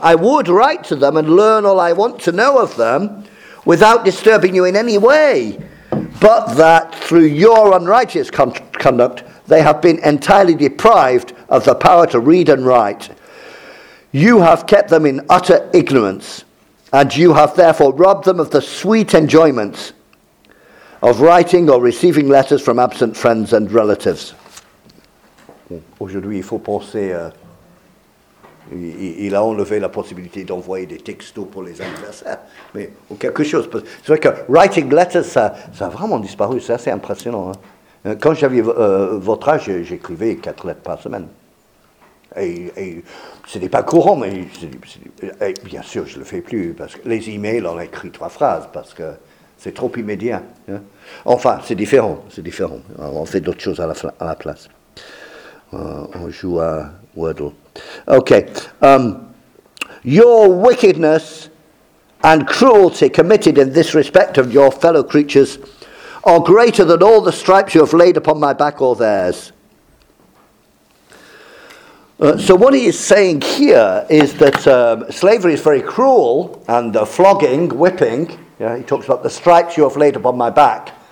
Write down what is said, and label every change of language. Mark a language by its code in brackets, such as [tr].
[en] I would write to them and learn all I want to know of them, without disturbing you in any way, but that through your unrighteous conduct, they have been entirely deprived of the power to read and write. You have kept them in utter ignorance, And you have therefore robbed them of the sweet enjoyments of writing or receiving letters from absent friends and relatives. [fr] Aujourd'hui, il faut penser. Il a enlevé la possibilité d'envoyer des textos pour les anniversaires, mais ou quelque chose. C'est vrai que [en] writing letters, [fr] ça a vraiment disparu. C'est assez impressionnant. Hein. Quand j'avais votre âge, j'écrivais 4 lettres par semaine. Et ce n'est pas courant, mais c'est, bien sûr, je ne le fais plus. Parce que les emails, on a écrit 3 phrases parce que c'est trop immédiat. Hein. Enfin, c'est différent. C'est différent. On fait d'autres choses à la place. On joue à Wordle. [en] Okay. Your wickedness and cruelty committed in this respect of your fellow creatures are greater than all the stripes you have laid upon my back or theirs. So what he is saying here is that slavery is very cruel, and the flogging, whipping, yeah, he talks about the stripes you have laid upon my back.